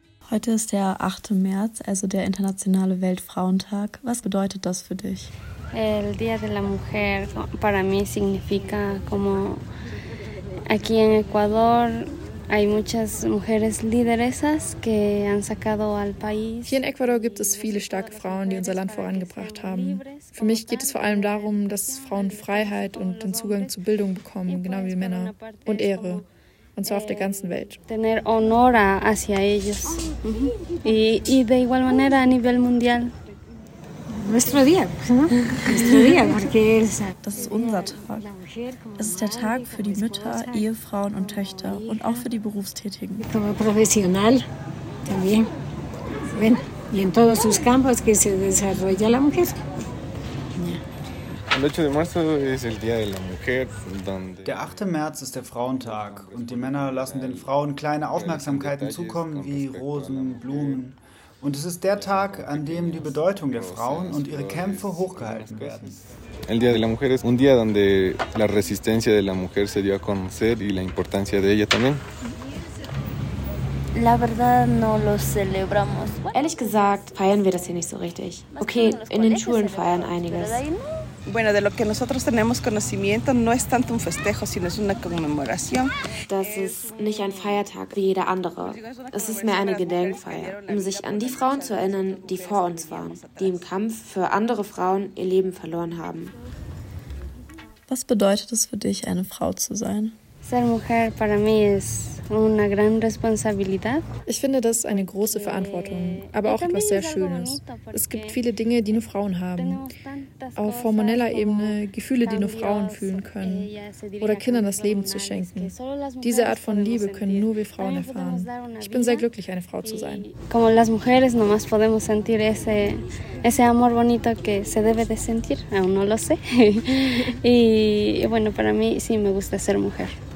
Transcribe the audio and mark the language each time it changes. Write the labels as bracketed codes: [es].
[de] Heute ist der 8. März, also der internationale Weltfrauentag. Was bedeutet das für dich? [es] El Día de la Mujer para mí significa como aquí en Ecuador Hay muchas mujeres lideresas que han sacado al país. [de] Hier in Ecuador gibt es viele starke Frauen, die unser Land vorangebracht haben. Für mich geht es vor allem darum, dass Frauen Freiheit und den Zugang zu Bildung bekommen, genau wie Männer. Und Ehre. Und zwar auf der ganzen Welt. [es] Tener honor hacia ellos. Y de igual manera a nivel mundial. [de] Das ist unser Tag. Es ist der Tag für die Mütter, Ehefrauen und Töchter und auch für die Berufstätigen. [es] Como profesional también. Bien. Y en todos sus campos que se desarrolla la mujer. [de] Der 8. März ist der Frauentag und die Männer lassen den Frauen kleine Aufmerksamkeiten zukommen, wie Rosen, Blumen. Und es ist der Tag, an dem die Bedeutung der Frauen und ihre Kämpfe hochgehalten werden. [es] El Día de la Mujer es un día donde la resistencia de la mujer se dio a conocer y la importancia de ella también. La verdad no lo celebramos. [de] Ehrlich gesagt feiern wir das hier nicht so richtig. Okay, in den Schulen feiern einiges. [es] Bueno, de lo que nosotros tenemos conocimiento no es tanto un festejo, sino es una conmemoración. [de] Das ist nicht ein Feiertag wie jeder andere. Es ist mehr eine Gedenkfeier, um sich an die Frauen zu erinnern, die vor uns waren, die im Kampf für andere Frauen ihr Leben verloren haben. Was bedeutet es für dich, eine Frau zu sein? [es] Ser mujer para mí es una gran responsabilidad. [de] Ich finde, das ist eine große Verantwortung, aber auch etwas sehr Schönes. Es gibt viele Dinge, die nur Frauen haben. Auf hormoneller Ebene Gefühle, die nur Frauen fühlen können. Oder Kindern das Leben zu schenken. Diese Art von Liebe können nur wir Frauen erfahren. Ich bin sehr glücklich, eine Frau zu sein. [es] Como las mujeres nomás podemos sentir ese amor bonito que se debe de sentir. Aún no lo sé. Y bueno, para mí sí me gusta ser mujer.